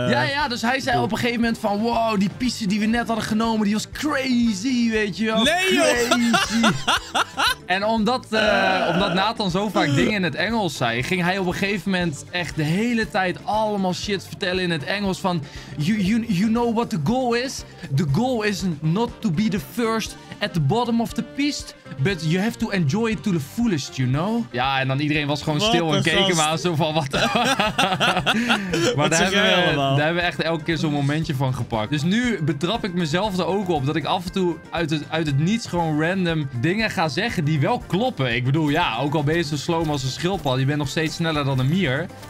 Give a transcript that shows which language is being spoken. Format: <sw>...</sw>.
<nl>Ja, dus hij zei op een gegeven moment van, wow, die piste die we net hadden genomen, die was crazy, weet je wel. Nee,</nl> <en>crazy.</en> <nl>Joh! En omdat Nathan zo vaak dingen in het Engels zei, ging hij op een gegeven moment echt de hele tijd allemaal shit vertellen in het Engels van,</nl> <en>you know what the goal is? The goal is not to be the first at the bottom of the piste, but you have to enjoy it to the fullest, you know?</en> <nl>Ja, en dan iedereen was gewoon stil en keken maar zo van wat. Maar daar hebben we echt elke keer zo'n momentje van gepakt. Dus nu betrap ik mezelf er ook op dat ik af en toe uit het niets gewoon random dingen ga zeggen die wel kloppen. Ik bedoel, ja, ook al ben je zo slow als een schildpad, je bent nog steeds sneller dan een mier.</nl>